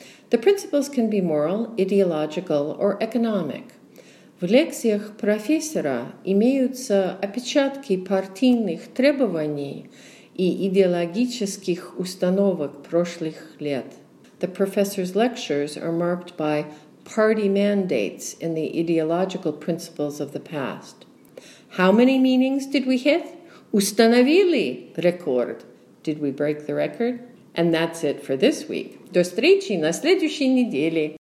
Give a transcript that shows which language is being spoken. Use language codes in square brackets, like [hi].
[en] The principles can be moral, ideological, or economic. [ru] В лекциях профессора имеются опечатки партийных требований и идеологических установок прошлых лет. [en] The professor's lectures are marked by party mandates in the ideological principles of the past. How many meanings did we hit? [ru] Установили рекорд. [en] Did we break the record? And that's it for this week. [ru] До встречи на следующей неделе.